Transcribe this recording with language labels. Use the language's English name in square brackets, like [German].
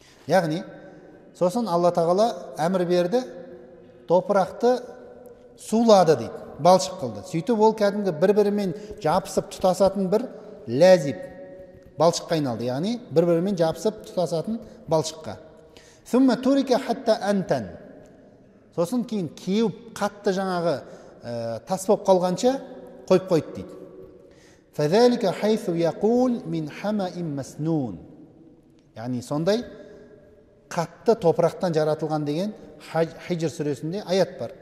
[Kazakh] Яғни, сосын Алла Тағала әмір берді, топырақты сулады дейді, балшық қылды. Сөйтіп ол кәдімгі бір-бірімен жапысып тұтасатын бір ләзіп, балшық қайналды. Яғни, бір-бірімен жапысып тұтасатын балшыққа. [Arabic] Сумма турика хатта антан. [Kazakh] Сосын кейін кеуіп қатты жаңағы тас боп қалғанша қойып қойды дейді. [Arabic] Фазалика хайсу яқул мин хамаим маснун. [Kazakh] Яғни сондай қатты топырақтан жаратылған деген Хижр сүресінде аят бар.